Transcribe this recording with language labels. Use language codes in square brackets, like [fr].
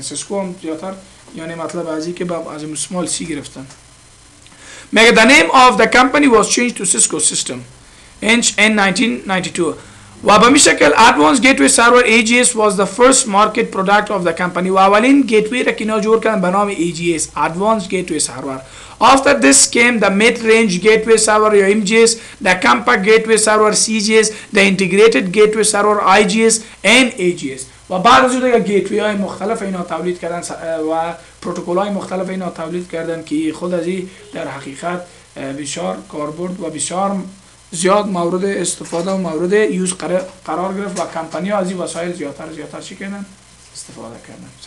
[fa] سیسکو هم زیادتر یعنی مطلب از این که از این small C گرفتن. میگه [en] the name of the company was changed to Cisco system inch in 1992. [fa] و به می شکل [en] Advanced Gateway Server AGS was the first market product of the company. [fa] و اولین گیتوی را کنها جور کردن به نام AGS Advanced Gateway Server. [en] After this came the Mid-Range Gateway Server [fa] یا [en] MGS, the Compact Gateway Server CGS, the Integrated Gateway Server IGS and AGS. [fa] و بعد از اونها گیتوی های مختلف اینا تولید کردن و پروتکل های مختلف اینا تولید کردن که خود از این در حقیقت بسیار کاربرد و بسیار زیاد مورد استفاده و مورد یوز قرار گرفت و کمپانی ها از این وسایل زیادتر زیادتر چی کردن؟ استفاده کردن.